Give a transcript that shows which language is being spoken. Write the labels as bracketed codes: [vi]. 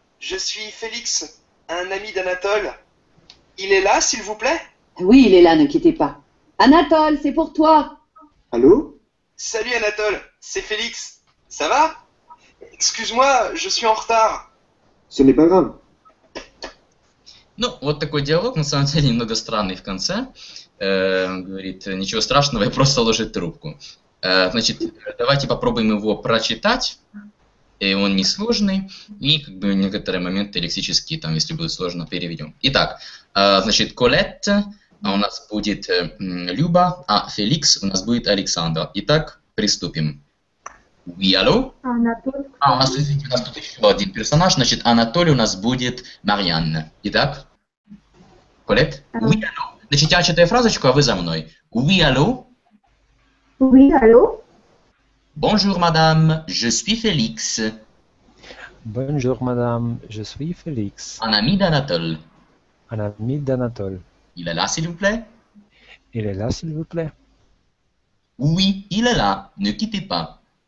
[fr] Je suis Félix, un ami d'Anatole. Il est là, s'il vous plaît? Oui, il est là, ne quittez pas. Anatole, c'est pour toi. Allô? Salut, Anatole. C'est Félix. Ça va? Excuse-moi, je suis en retard. Ce n'est pas grave. [ru] Ну, вот такой диалог, на самом деле, немного странный в конце. Говорит, ничего страшного, я просто ложит трубку. Значит, давайте попробуем его прочитать. И он несложный, и как бы некоторые моменты лексические, там, если будет сложно, переведем. Итак, значит, Колетт, а у нас будет Люба, а Феликс, у нас будет Александр. Итак, приступим. [fr] Oui, allô? [ru] Анатоль. А, у нас тут еще один персонаж, значит, Анатоль у нас будет Марьянна. Итак, Колет? [fr] Oui, allô? [ru] Значит, я читаю фразочку, а вы за мной. [fr] Oui, allô? Oui, allô? Bonjour, madame, je suis Félix. Bonjour, madame, je suis Félix. Un ami d'Anatole. Un ami d'Anatole. Il est là, s'il vous plaît? Il est là, s'il vous plaît. Oui, il est là, ne quittez pas.